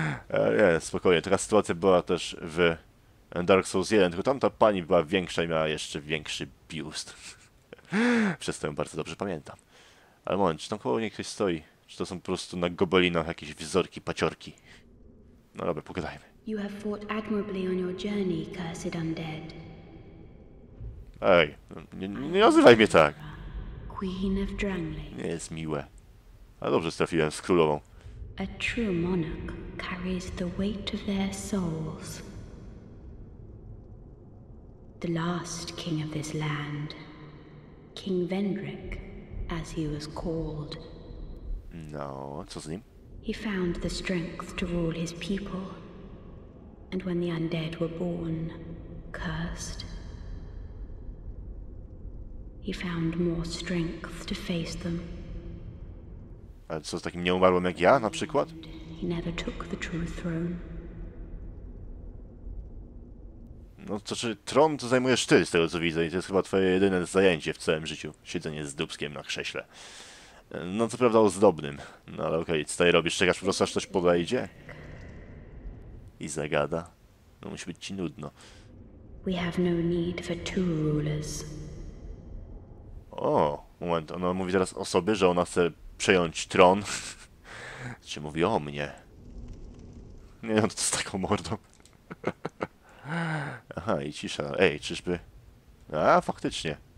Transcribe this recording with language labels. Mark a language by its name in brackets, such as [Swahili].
[Polish] Nie, spokojnie, taka sytuacja była też w Dark Souls 1, tylko tamta pani była większa i miała jeszcze większy biust. Przez to ją bardzo dobrze pamiętam. Ale moment, czy tam koło niej ktoś stoi? Czy to są po prostu na gobelinach jakieś wzorki, paciorki? No dobra, pogadajmy. [English] You have fought admirably on your journey, cursed undead. [Polish] Ej, nie nazywaj mnie tak. Queen of Drangleic. Nie jest miłe. Ale dobrze trafiłem z królową. [English] A true monarch carries the weight of their souls. The last king of this land. King Vendrick, as he was called. [Polish] No, co z nim? [English] He found the strength to rule his people. And when the undead were born, cursed. He found more strength to face them. [Polish] A co z takim nieumarłym jak ja, na przykład? [English] He never took the true throne. [Polish] No to czy tron to zajmujesz ty, z tego co widzę, i to jest chyba twoje jedyne zajęcie w całym życiu. Siedzenie z dupskiem na krześle. No co prawda ozdobnym. No ale okej, co tutaj robisz? Czekasz po prostu aż ktoś podejdzie? I zagada. No musi być ci nudno. [English] We have no need for two rulers. [Polish] O, moment, ona mówi teraz o sobie, że ona chce przejąć tron. Czy mówi o mnie? Nie, no to z taką mordą. Aha, i cisza. Ej, czyżby... A, faktycznie.